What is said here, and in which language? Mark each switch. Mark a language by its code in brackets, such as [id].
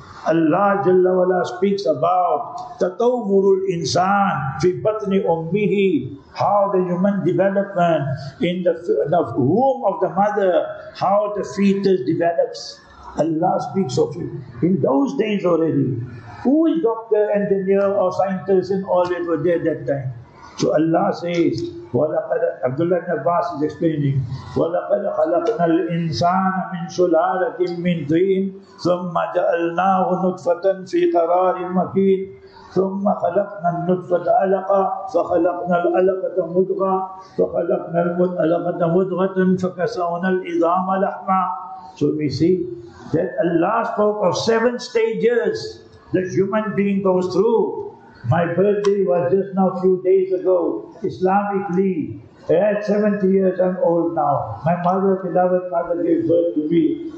[en] Allah Jalla Wala speaks about [ar] tatawwurul insan fi batni ummihi, [en] how the human development in the womb of the mother, how the fetus develops. Allah speaks of it. In those days already, who is doctor, engineer, or scientist and all that were there that time? So Allah says, Abdullah ibn Abbas is explaining, [ar] وَلَقَدْ خَلَقْنَا الْإِنسَانَ مِنْ سُلَالَةٍ مِنْ طِينٍ ثُمَّ جَأَلْنَاهُ نُطْفَةً فِي قَرَارٍ مَكِينٍ ثم خلقنا النطفة علقة فخلقنا العلقة مضغة فخلقنا العلقة مضغة فكسونا العظام لحما. [en] So we see that Allah spoke of seven stages the human being goes through. My birthday was just now a few days ago, Islamically. At 70 years, I'm old now. My mother, beloved mother, gave birth to me.